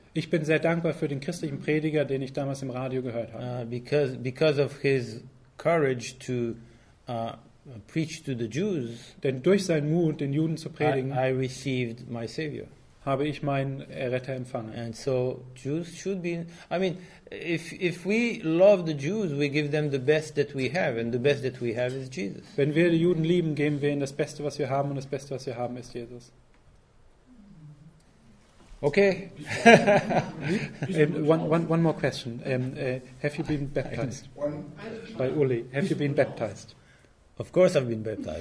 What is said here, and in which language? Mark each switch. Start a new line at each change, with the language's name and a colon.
German: Ich bin sehr dankbar für den christlichen Prediger, den ich damals im Radio gehört habe.
English: Because of his courage to preach to the Jews,
German: denn durch seinen Mut, den Juden zu predigen,
English: I received my Savior.
German: Habe ich meinen Erretter empfangen.
English: And so Jews should be. I mean, if we love the Jews, we give them the best that we have, and the best that we have is Jesus.
German: Wenn wir die Juden lieben, geben wir ihnen das Beste, was wir haben, und das Beste, was wir haben, ist Jesus.
English: Okay. one more question. Have you been baptized? By Uli. Have you been baptized? Of course I've been baptized.